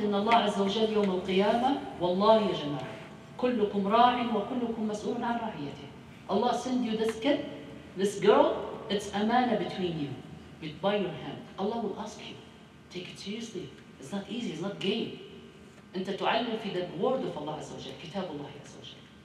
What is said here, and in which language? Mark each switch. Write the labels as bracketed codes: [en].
[ar] إن الله عز وجل يوم القيامة والله يا جماعة كلكم راع وكلكم مسؤول عن رعيته. [en] Allah send you this kid, this girl. It's amana between you, with by your hand. Allah will ask you. Take it seriously. It's not easy. It's not game. [ar] أنت تعلم في [en] the word of [ar] Allah عز وجل كتاب الله عز وجل.